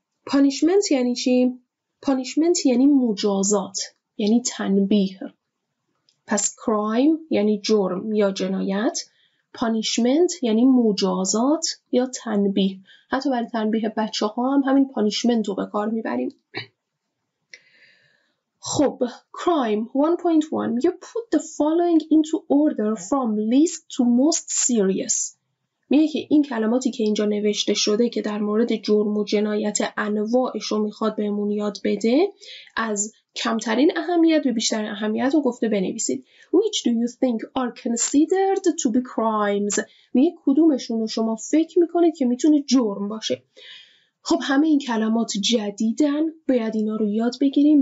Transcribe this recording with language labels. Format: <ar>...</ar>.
<fa>punishment یعنی چی؟ punishment یعنی مجازات، یعنی تنبیه. پس crime یعنی جرم یا جنایت، punishment یعنی مجازات یا تنبیه. حتی برای تنبیه بچه ها هم همین punishment رو به کار میبریم. خب،</fa> <en>crime 1.1 you put the following into order from least to most serious.</en> <fa>میگه که این کلماتی که اینجا نوشته شده که در مورد جرم و جنایت انواعش رو میخواد بهمون یاد بده، از کمترین اهمیت به بیشترین اهمیت رو گفته بنویسید.</fa> <en>Which do you think are considered to be crimes؟</en> <fa>میگه کدومشون رو شما فکر میکنه که میتونه جرم باشه؟ خب همه این کلمات جدیدن، باید اینا رو یاد بگیریم.</fa>